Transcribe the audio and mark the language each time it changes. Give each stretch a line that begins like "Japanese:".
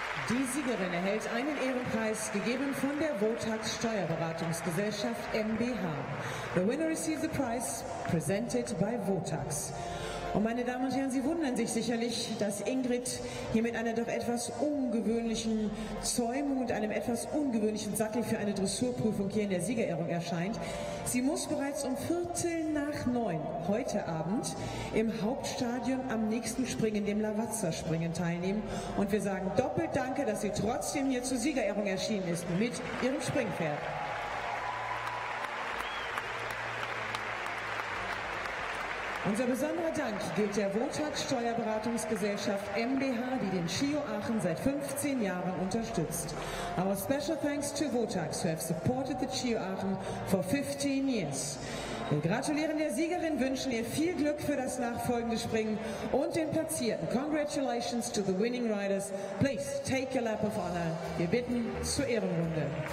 German: Die Siegerin erhält einen Ehrenpreis, gegeben von der Wohltags Steuerberatungsgesellschaft MBH.
English: The winner receives the prize presented by Wohltags.
German: Und meine Damen und Herren, Sie wundern sich sicherlich, dass Ingrid hier mit einer doch etwas ungewöhnlichen Zäumung und einem etwas ungewöhnlichen Sattel für eine Dressurprüfung hier in der Siegerehrung erscheint. Sie muss bereits um 8:45 heute Abend im Hauptstadion am nächsten Springen, dem Lavazza-Springen, teilnehmen. Und wir sagen doppelt Danke, dass sie trotzdem hier zur Siegerehrung erschienen ist mit ihrem Springpferd. Unser besonderer Dank gilt der Wohltags Steuerberatungsgesellschaft MBH, die den Schio Aachen seit 15 Jahren unterstützt.
English: Our special thanks to Wohltags, who have supported the Schio Aachen for 15 years.
German: Wir gratulieren der Siegerin, wünschen ihr viel Glück für das nachfolgende Springen und den Platzierten.
English: Congratulations to the winning riders. Please take your lap of honor.
German: Wir bitten zur Ehrenrunde.